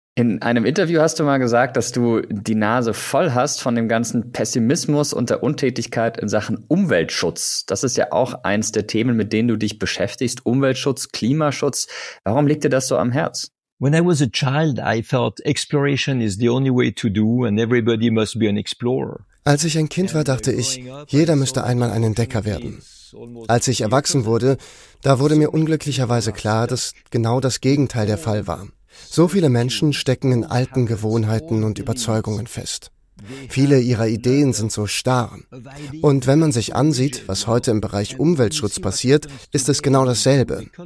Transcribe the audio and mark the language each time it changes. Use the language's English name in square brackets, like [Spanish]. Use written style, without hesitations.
[German] In einem Interview hast du mal gesagt, dass du die Nase voll hast von dem ganzen Pessimismus und der Untätigkeit in Sachen Umweltschutz. Das ist ja auch eins der Themen, mit denen du dich beschäftigst. Umweltschutz, Klimaschutz. Warum liegt dir das so am Herz? [English] When I was a child, I felt exploration is the only way to do and everybody must be an explorer. [German] Als ich ein Kind war, dachte ich, jeder müsste einmal ein Entdecker werden. Als ich erwachsen wurde, da wurde mir unglücklicherweise klar, dass genau das Gegenteil der Fall war. So viele Menschen stecken in alten Gewohnheiten und Überzeugungen fest. Viele ihrer Ideen sind so starr. Und wenn man sich ansieht, was heute im Bereich Umweltschutz passiert, ist es genau dasselbe.